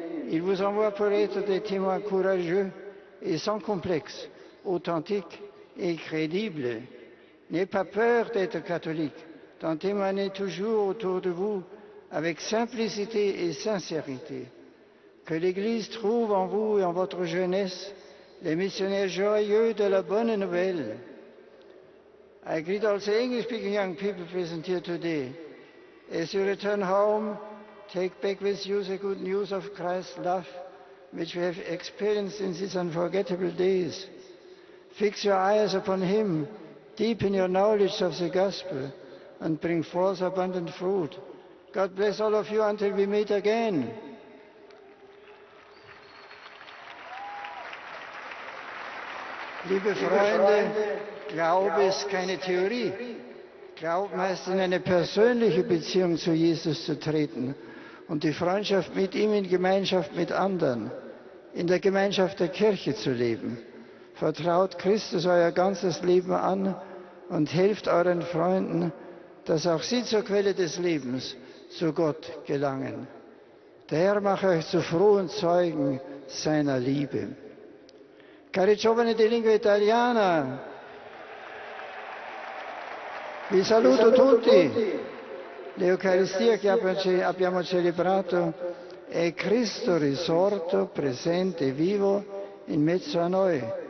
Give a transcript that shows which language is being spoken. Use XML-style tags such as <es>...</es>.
<fr>Il vous envoie pour être des témoins courageux et sans complexe, authentiques et crédibles. N'ayez pas peur d'être catholique, d'en témoigner toujours autour de vous avec simplicité et sincérité. Que l'Église trouve en vous et en votre jeunesse les missionnaires joyeux de la bonne nouvelle.</fr> <en>I greet all the English-speaking young people present here today. As you return home, take back with you the good news of Christ's love, which we have experienced in these unforgettable days. Fix your eyes upon him, deepen your knowledge of the gospel, and bring forth abundant fruit. God bless all of you until we meet again.</en> <de>Liebe Freunde, Glaube ist keine Theorie. Glauben heißt, in eine persönliche Beziehung zu Jesus zu treten und die Freundschaft mit ihm in Gemeinschaft mit anderen. in der Gemeinschaft der Kirche zu leben. Vertraut Christus euer ganzes Leben an und helft euren Freunden, dass auch sie zur Quelle des Lebens, zu Gott gelangen. Der Herr mache euch zu frohen Zeugen seiner Liebe.</de> <it>Cari giovani di lingua italiana, vi saluto tutti. L'Eucaristia che abbiamo celebrato è Cristo risorto, presente, vivo in mezzo a noi.</it>